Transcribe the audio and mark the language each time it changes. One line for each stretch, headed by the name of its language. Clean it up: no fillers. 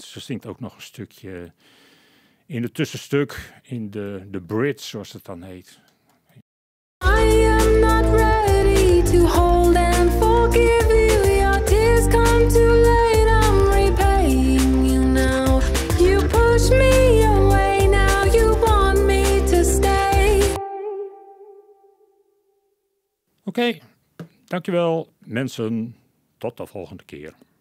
Dutch: Zingt ook nog een stukje in het tussenstuk, in de bridge, zoals het dan heet.
English: I am not ready to hold and forgive you. Your tears come too late, I'm repaying you now. You push me away, now you want me to stay.
Dutch: Oké, dankjewel mensen, tot de volgende keer.